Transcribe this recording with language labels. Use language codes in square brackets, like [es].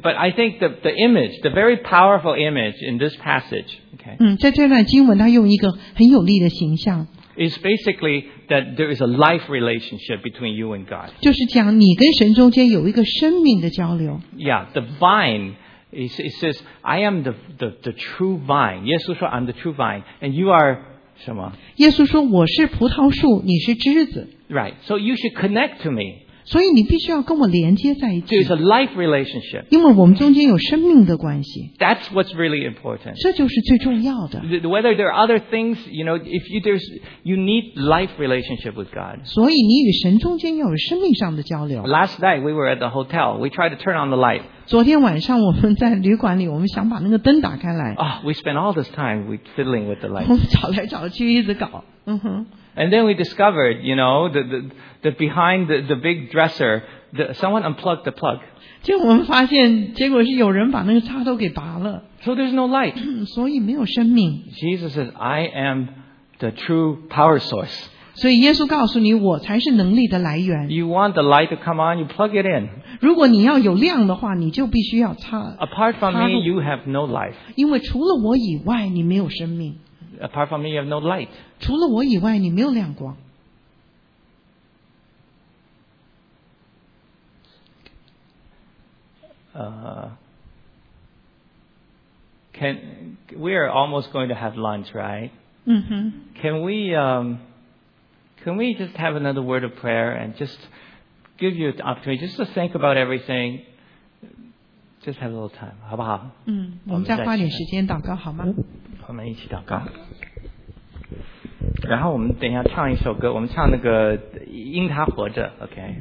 [en] But I think the image, the very powerful image in this passage. Okay. [zh] 在这段经文，它用一个很有力的形象。 [en] Is basically that there is a life relationship between you and God. [zh] 就是讲你跟神中间有一个生命的交流。 [en] Yeah, the vine. It says, I am the true vine. [zh] 耶稣说 [en] I'm the true vine. And you are [zh] 什么？耶稣说我是葡萄树，你是枝子。 [en] Right. So you should connect to me. [zh] 所以你必须要跟我连接在一起。 [en] It's a life relationship. [zh] 因为我们中间有生命的关系。 [en] That's what's really important. [zh] 这就是最重要的。 [en] Whether there are other things, you know, if you, there's, you need life relationship with God. [zh] 所以你与神中间要有生命上的交流。 [en] Last night, we were at the hotel. We tried to turn on the light. [zh] 昨天晚上我们在旅馆里，我们想把那个灯打开来。 [en] We spent all this time we fiddling with the light. [zh] 我们找来找去一直搞，嗯哼。 [en] And then we discovered, you know, the behind the big dresser, someone unplugged the plug. [zh] 结果我们发现，结果是有人把那个插头给拔了。 [en] So there's no light. [zh] 所以没有生命。 [en] Jesus says, "I am the true power source." [zh] 所以耶稣告诉你，我才是能力的来源。 [en] You want the light to come on, you plug it in. [zh] 如果你要有亮的话，你就必须要插。 [en] Apart from me, you have no life. [zh] 因为除了我以外，你没有生命。 [en] Apart from me, you have no light. [zh] 除了我以外，你没有亮光。 [en] We are almost going to have lunch, right? Mm-hmm. Can we just have another word of prayer and just. Give you the opportunity just to think about everything. Just have a little time, [zh] 好不好？嗯，我们再花点时间祷告好吗？我们一起祷告。然后我们等一下唱一首歌，我们唱那个《因他活着》，OK？